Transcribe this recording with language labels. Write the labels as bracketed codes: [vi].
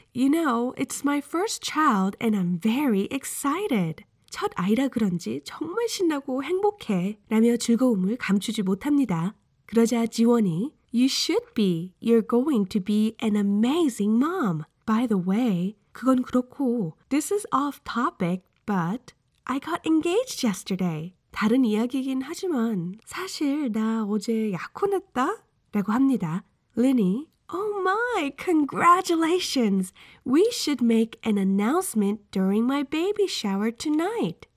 [en] You know, it's my first child and I'm very excited. [ko] 첫 아이라 그런지 정말 신나고 행복해 라며 즐거움을 감추지 못합니다. 그러자 지원이 [en] You should be. You're going to be an amazing mom. By the way, [ko] 그건 그렇고 [en] This is off topic, but I got engaged yesterday. [ko] 다른 이야기이긴 하지만 사실 나 어제 약혼했다? 라고 합니다. 린이 [en] Oh my, congratulations! We should make an announcement during my baby shower tonight.